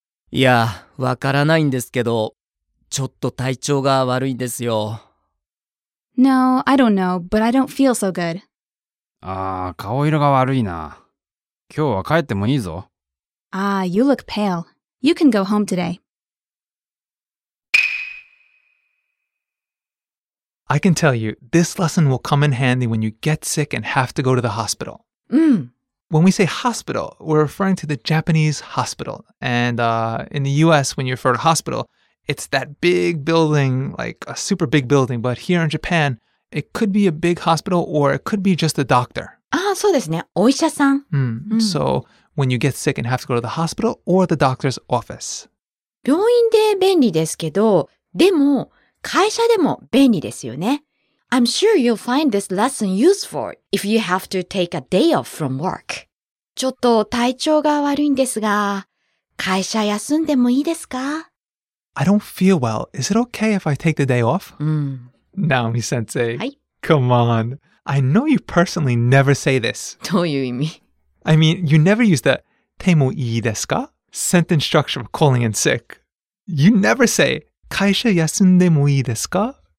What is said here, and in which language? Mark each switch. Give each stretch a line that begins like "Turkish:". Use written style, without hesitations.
Japanese: いや、わからないんですけど、ちょっと体調が悪いんですよ。
English: No, I don't know, but I don't feel so good.
Japanese: ああ、顔色が悪いな。今日は帰ってもいいぞ。
English: Ah, you look pale. You can go home today. I can tell you, this lesson will come in handy when you get sick and have to go to the hospital. When we say hospital, we're referring to the Japanese hospital. And in the US, when you refer to hospital, it's that big building, like a super big building. But here in Japan, it could be a big hospital or it could be just a doctor.
Japanese: Ah, そうですね。お医者さん。
English: So when you get sick and have to go to the hospital or the doctor's office.
Japanese: 病院で便利ですけど、でも会社でも便利ですよね。
English: I'm sure you'll find this lesson useful if you have to take a day off from work.
Japanese: ちょっと体調が悪いんですが、会社休んでもいいですか?
English: I don't feel well. Is it okay if I take the day off? Naomi sensei.
Japanese: はい。
English: Come on. I know you personally never say this.
Japanese: どういう意味?
English: I mean, you never use the てもいいですか?Sentence structure of calling in sick. You never say
Japanese: 会社休んでもいいですか?